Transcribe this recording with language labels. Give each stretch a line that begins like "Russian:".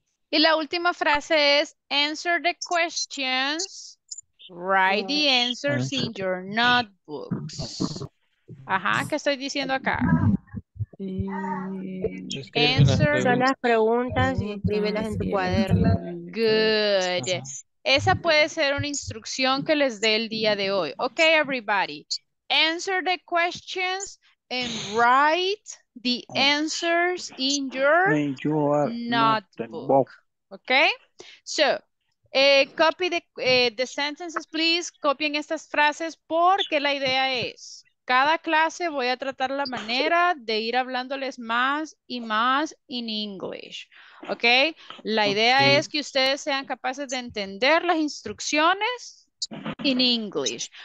Spanish: Y la última frase es,
English: answer the questions, write the answers in your notebooks.
Spanish: Ajá, ¿qué estoy diciendo acá?
English: Answer.
Spanish: Son las preguntas y escríbelas en tu cuaderno.
English: Good.
Spanish: Esa puede ser una instrucción que les dé el día de hoy.
English: Ok, everybody. Answer the questions and write the answers in your notebook. Okay. So, copy the sentences, please.
Spanish: Copien estas frases porque la idea es, cada clase voy a tratar la manera de ir hablándoles más y más
English: in English. Okay.
Spanish: La idea es que ustedes sean capaces de entender las instrucciones
English: in English.